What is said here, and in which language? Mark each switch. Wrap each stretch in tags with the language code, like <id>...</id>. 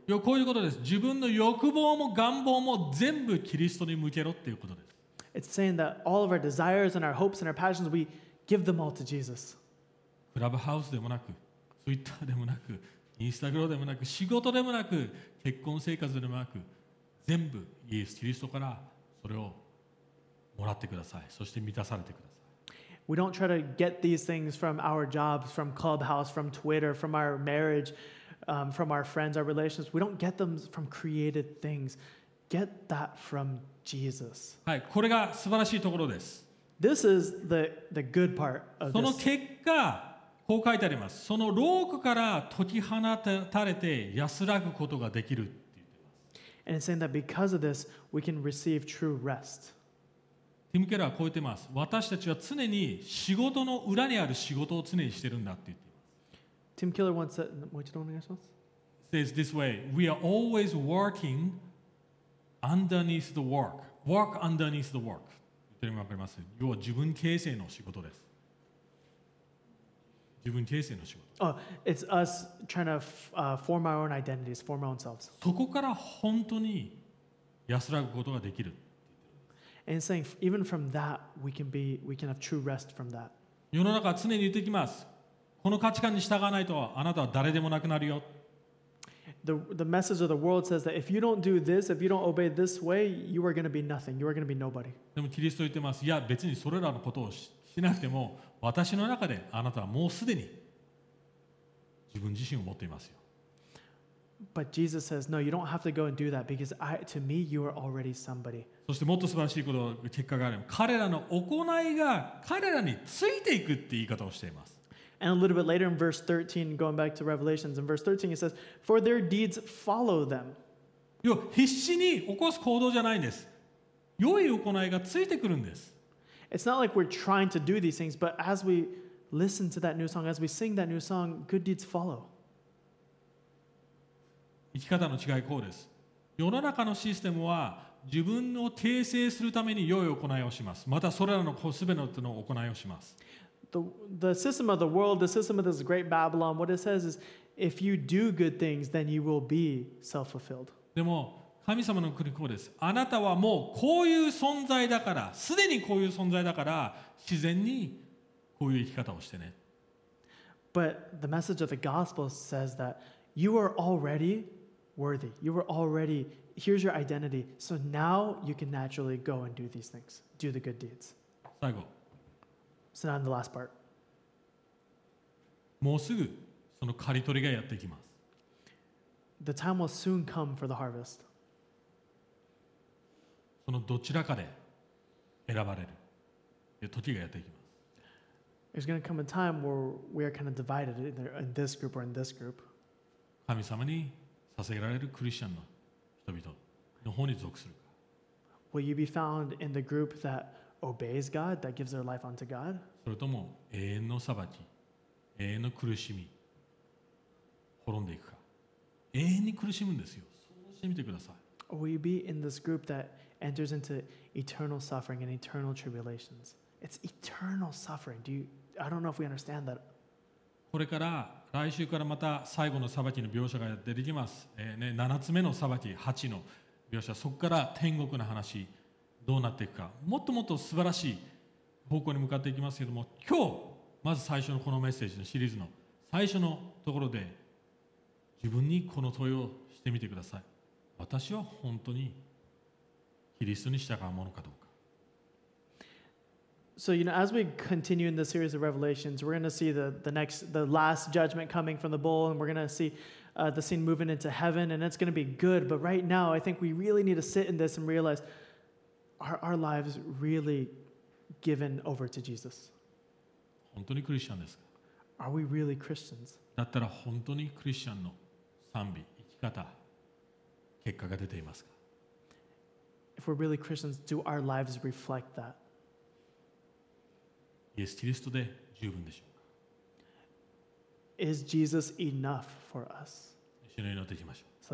<ja>よ、こういうことです。自分の欲望も願望も全部キリストに向けろっていうことです。</ja> <en>It's saying that all of our desires and our hopes and our passions, we give them all to Jesus.</en> <ja>クラブハウスでもなく、ツイッターでもなく、インスタグラムでもなく、仕事でもなく、結婚生活でもなく、全部イエス・キリストからそれをもらってください。そして満たされてください。</ja> <en>We don't try to get these things from our jobs, from Clubhouse, from Twitter, from our marriage, from our friends, our relationships. We don't get them from created things. Get that from Jesus.</en> <ja>はい、これが素晴らしいところです。</ja> <en>This is the good part of this.</en> <ja>その結果、こう書いてあります。その牢獄から解き放たれて安らぐことができる。</ja> <en>And it's saying that because of this, we can receive true rest.</en> <ja>Tim Keller こう言ってます。私たちは常に仕事の裏にある仕事を常にしてるんだって言ってます。</ja> <en>Tim Keller once said,</en> <ja>もう一度お願いします。</ja> <en>Says this way, we are always working underneath the work. Work underneath the work.</en> <ja>言ってみてます。要は自分形成の仕事です。自分形成の仕事。</ja> <en>Oh, it's us trying to form our own identities, form our own selves.</en> <ja>そこから本当に安らぐことができる。</ja> <en>And saying even from that we can have true rest from that.</en> <ja>世の中は常に言ってきます。この価値観に従わないとあなたは誰でもなくなるよ。</ja> <en>The message of the world says that if you don't do this, if you don't obey this way, you are going to be nothing. You are going to be nobody.</en> <ja>でもキリスト言ってます。いや別にそれらのことをしなくても。私の中であなたはもうすでに自分自身を持っていますよ。</ja> <en>But Jesus says, no, you don't have to go and do that because to me, you are already somebody.</en> <ja>そしてもっと素晴らしいこと、結果があれば、彼らの行いが彼らについていくって言い方をしています。</ja> <en>And a little bit later in verse 13, going back to Revelations, in verse 13, it says, for their deeds follow them.</en> <ja>要は必死に起こす行動じゃないんです。良い行いがついてくるんです。</ja> <en>It's not like we're trying to do these things, but as we listen to that new song, as we sing that new song, good deeds follow.</en> <ja>生き方の違いこうです。世の中のシステムは自分を訂正するために良い行いをします。またそれらのすべての行いをします。</ja> <en>The system of the world, the system of this great Babylon, what it says is, if you do good things, then you will be self-fulfilled.</en> <ja>でも神様の国こうです。あなたはもうこういう存在だから、すでにこういう存在だから、自然にこういう生き方をしてね。</ja> <en>But the message of the gospel says that you are already worthy. You are already, here's your identity. So now you can naturally go and do these things. Do the good deeds.</en> <ja>最後。</ja> <en>So now in the last part.</en> <ja>もうすぐその刈り取りがやってきます。</ja> <en>The time will soon come for the harvest.</en> <ja>そのどちらかで選ばれる時がやってきます。</ja> <en>There's going to come a time where we are kind of divided in this group or in this group.</en> <ja>神様に捧げられるクリスチャンの人々の方に属するか。</ja> <en>Will you be found in the group that obeys God, that gives their life unto God?</en> <ja>それとも永遠の裁き、永遠の苦しみ、滅んでいくか。永遠に苦しむんですよ。想像してみてください。</ja> <en>Or will you be in this group that enters into eternal suffering and eternal tribulations? It's eternal suffering. I don't know if we understand that.</en> <ja>これから来週からまた最後の裁きの描写が出てきます。ね、7つ目の裁き、8の描写、そこから天国の話、どうなっていくか、もっともっと素晴らしい方向に向かっていきますけども、今日、まず最初のこのメッセージのシリーズの最初のところで、自分にこの問いをしてみてください。私は本当にキリストに従うものかどうか。</ja> <en>So, you know, as we continue in the series of revelations, we're going to see the last judgment coming from the bowl, and we're going to see the scene moving into heaven, and it's going to be good. But right now, I think we really need to sit in this and realize, are our lives really given over to Jesus?</en> <ja>本当にクリスチャンですか?</ja> <en>Are we really Christians?</en> <ja>だったら本当にクリスチャンの賛美、生き方、結果が出ていますか?</ja> <en>If we're really Christians, do our lives reflect that?</en> <ja>イエス・キリストで十分でしょうか?</ja> <en>Is Jesus enough for us?</en> <ja>一緒に祈っていきましょう。</ja>